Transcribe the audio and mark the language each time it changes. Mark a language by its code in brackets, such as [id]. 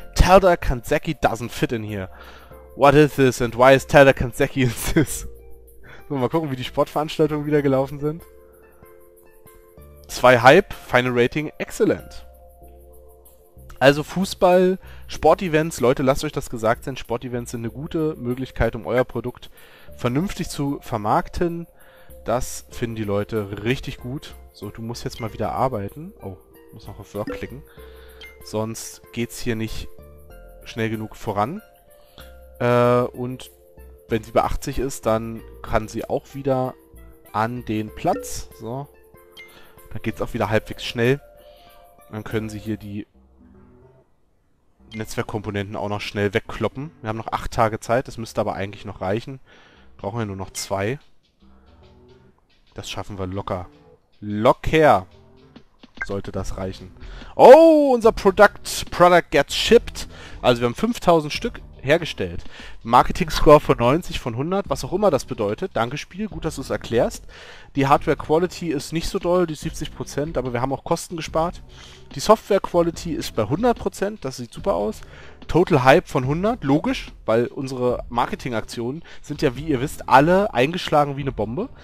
[en] Talda Kandensky doesn't fit in here. What is this and why is Talda Kandensky in this? [de] So, mal gucken, wie die Sportveranstaltungen wieder gelaufen sind. 2 Hype, [en] Final Rating excellent. [de] Also Fußball, Sportevents, Leute, lasst euch das gesagt sein, Sportevents sind eine gute Möglichkeit, um euer Produkt vernünftig zu vermarkten. Das finden die Leute richtig gut. So, du musst jetzt mal wieder arbeiten. Oh, muss noch auf Work klicken. Sonst geht's hier nicht schnell genug voran. Und wenn sie bei 80 ist, dann kann sie auch wieder an den Platz. So, dann geht's auch wieder halbwegs schnell. Dann können sie hier die Netzwerkkomponenten auch noch schnell wegkloppen. Wir haben noch 8 Tage Zeit, das müsste aber eigentlich noch reichen. Brauchen wir nur noch 2. Das schaffen wir locker. Locker sollte das reichen. [en] Oh, unser Product gets shipped. [de] Also wir haben 5000 Stück hergestellt. Marketing Score von 90 von 100, was auch immer das bedeutet. Danke Spiel, gut, dass du es erklärst. Die Hardware Quality ist nicht so doll, die 70%, aber wir haben auch Kosten gespart. Die Software Quality ist bei 100%, das sieht super aus. Total Hype von 100, logisch, weil unsere Marketingaktionen sind ja, wie ihr wisst, alle eingeschlagen wie eine Bombe.